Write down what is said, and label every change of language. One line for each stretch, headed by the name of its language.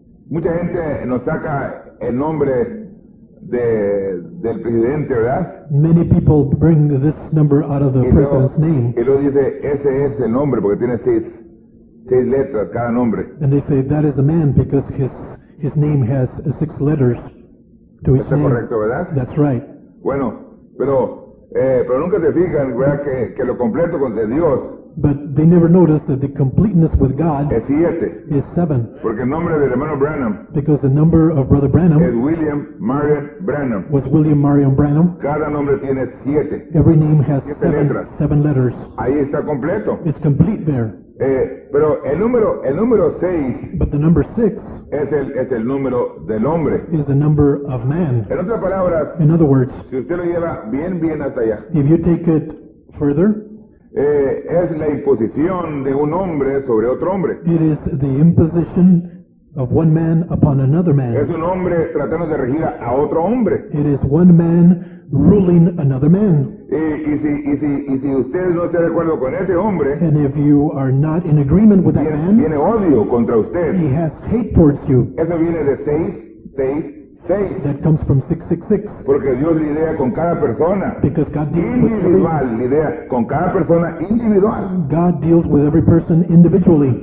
Spanish: mucha gente nos saca el nombre del presidente, ¿verdad?
English: Many people bring this number out of the president's name.
Spanish: Y luego dice ese es el nombre porque tiene seis letras cada nombre.
English: And they say that is a man because his name has six letters to his name.
Spanish: Está correcto, ¿verdad?
English: That's right.
Spanish: Bueno, pero nunca se fijan, ¿verdad? Que lo completo con de Dios.
English: But they never noticed that the completeness with God
Spanish: es siete.
English: Is seven.
Spanish: Porque el nombre del hermano Branham,
English: because the number of Brother Branham
Spanish: es William Marion Branham.
English: Was William Marion Branham.
Spanish: Cada nombre tiene siete.
English: Every name has
Spanish: siete
English: seven letters.
Spanish: Ahí está completo.
English: It's complete there.
Spanish: Pero el número seis,
English: but the number six
Spanish: es el número del hombre.
English: Is the number of man.
Spanish: En otras palabras,
English: in other words,
Spanish: si usted lo lleva bien hasta allá,
English: if you take it further,
Spanish: Es la imposición de un hombre sobre otro hombre.
English: It is the imposition of one man upon another man.
Spanish: Es un hombre tratando de regir a otro hombre.
English: It is one man ruling another man.
Spanish: Y si usted no está de acuerdo con ese hombre,
English: and if you are not in agreement with that man,
Spanish: tiene odio contra usted.
English: He has hate towards you.
Spanish: Eso viene de seis.
English: That comes from 666.
Spanish: Porque Dios lidia con cada persona.
English: Because God deals
Spanish: individual, lidia con cada persona individual.
English: God deals with every person individually.